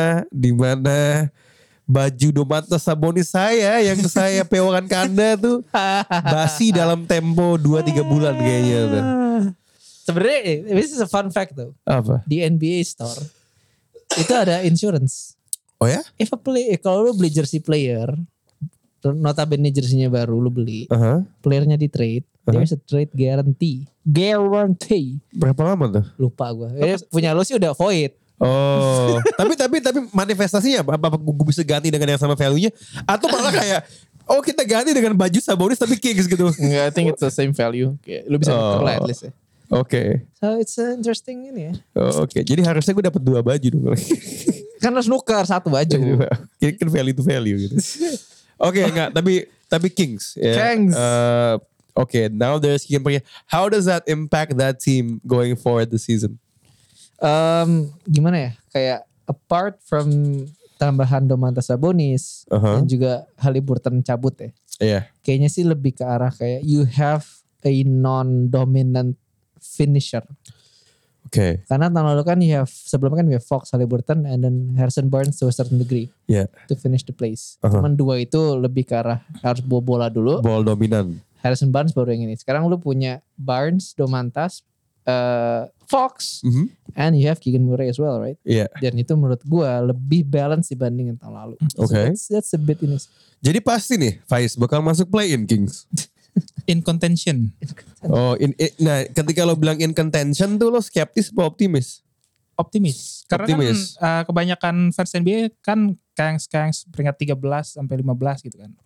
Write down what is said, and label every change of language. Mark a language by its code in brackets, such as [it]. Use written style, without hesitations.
[id] Di mana baju Domantas Sabonis saya yang saya pewakan ke Anda tuh basi dalam tempo 2-3 bulan kayaknya. Sebenarnya [en] this is a fun fact though. [id] Apa? Di NBA store itu ada insurance. Oh ya? [en] If a player, [id] kalau lu beli jersey player, notabene jersey-nya baru lu beli, playernya di trade, [en] there's a trade guarantee. Guarantee. [id] Berapa lama tuh? Lupa gue. Punya lu sih udah void. Oh, tapi manifestasinya apa gue bisa ganti dengan yang sama value-nya? Atau malah kayak, oh kita ganti dengan baju Sabonis tapi Kings gitu? Enggak, [en] I think it's the same value. [id] Lu bisa ngetuklah [en] at least ya. Okay. So it's interesting [id] ini ya. [en] Oh, okay. [id] Jadi harusnya gue dapat dua baju dong. Kan harus nuker satu baju. Kan value to value gitu. Okay, enggak, tapi Kings. [en] Yeah. Kings. Okay, now there's Kings. How does that impact that team going forward the season? [id] Gimana ya, kayak apart from tambahan Domantas Sabonis dan juga Haliburton cabut ya, kayaknya sih lebih ke arah kayak [en] you have a non-dominant finisher. Okay. [id] Karena tahun lalu kan [en] you have, [id] sebelumnya kan [en] we have Fox, Haliburton, and then Harrison Barnes to a certain degree to finish the place. [id] Cuman dua itu lebih ke arah harus bawa bola dulu. [en] Ball dominant. [id] Harrison Barnes baru yang ini. Sekarang lu punya [en] Barnes, Domantas, Fox, and you have Keegan Murray as well, right? Yeah. [id] Dan itu menurut gue lebih balance dibandingin tahun lalu. [en] Okay. So that's a bit ini. [id] Jadi pasti nih, Faiz bakal masuk play-in Kings. [en] In contention. [id] Nah, ketika lo bilang in contention tuh lo skeptis atau optimis? Optimis. Karena optimis. Kan kebanyakan fans NBA kan Kings peringkat 13 sampai 15 gitu kan.